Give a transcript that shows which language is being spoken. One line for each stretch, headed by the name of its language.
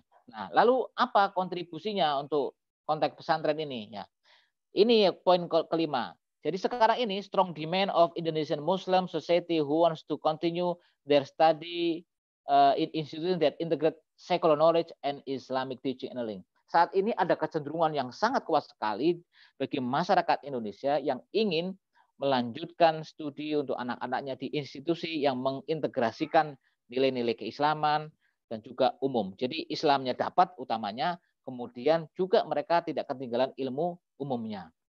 Indonesian: Nah, lalu apa kontribusinya untuk konteks pesantren ini ya? Ini poin kelima. Jadi sekarang ini
English: strong demand of Indonesian Muslim society who wants to continue their study in institutions that integrate secular knowledge and Islamic teaching and learning.
Indonesian: Saat ini ada kecenderungan yang sangat kuat sekali bagi masyarakat Indonesia yang ingin melanjutkan studi untuk anak-anaknya di institusi yang mengintegrasikan nilai-nilai keislaman dan juga umum. Jadi Islamnya dapat utamanya, kemudian juga mereka tidak ketinggalan ilmu umumnya.